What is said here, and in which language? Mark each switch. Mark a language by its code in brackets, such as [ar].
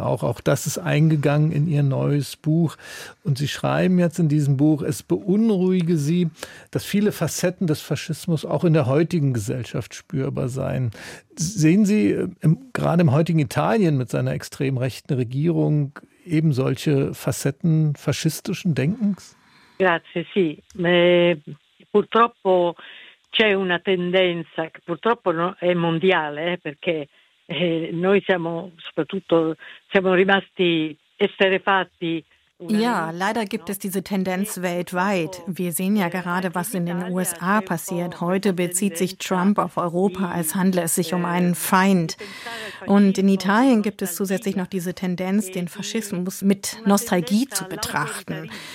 [de] Auch das ist eingegangen in Ihr neues Buch. Und Sie schreiben jetzt in diesem Buch, es beunruhige Sie, dass viele Facetten des Faschismus auch in der heutigen Gesellschaft spürbar seien. Sehen Sie gerade im heutigen Italien mit seiner extrem rechten Regierung eben solche Facetten faschistischen Denkens? [it] Grazie, sì. Purtroppo c'è una tendenza che purtroppo è mondiale, perché noi siamo soprattutto siamo rimasti esterrefatti. [de] Ja, leider gibt es diese Tendenz weltweit. Wir sehen ja gerade, was in den USA passiert. Heute bezieht sich Trump auf Europa, als handle es sich um einen Feind. Und in Italien gibt es zusätzlich noch diese Tendenz, den Faschismus mit Nostalgie zu betrachten.